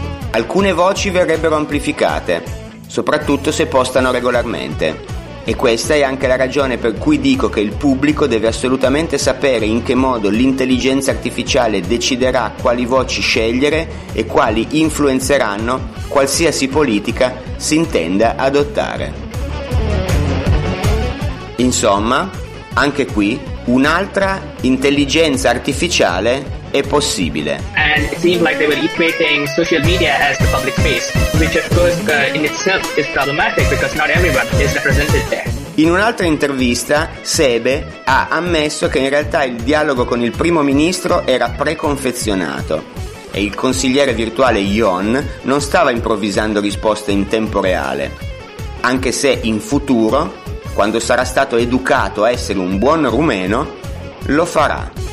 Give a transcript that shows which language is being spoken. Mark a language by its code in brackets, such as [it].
[it] Alcune voci verrebbero amplificate, soprattutto se postano regolarmente, e questa è anche la ragione per cui dico che il pubblico deve assolutamente sapere in che modo l'intelligenza artificiale deciderà quali voci scegliere e quali influenzeranno qualsiasi politica si intenda adottare. Insomma, anche qui un'altra intelligenza artificiale è possibile. [en] And it seems like they were equating social media as the public space, which of course in itself is problematic because not everyone is represented there. [it] In un'altra intervista, Sebe ha ammesso che in realtà il dialogo con il primo ministro era preconfezionato e il consigliere virtuale Yon non stava improvvisando risposte in tempo reale, anche se in futuro, quando sarà stato educato a essere un buon rumeno, lo farà.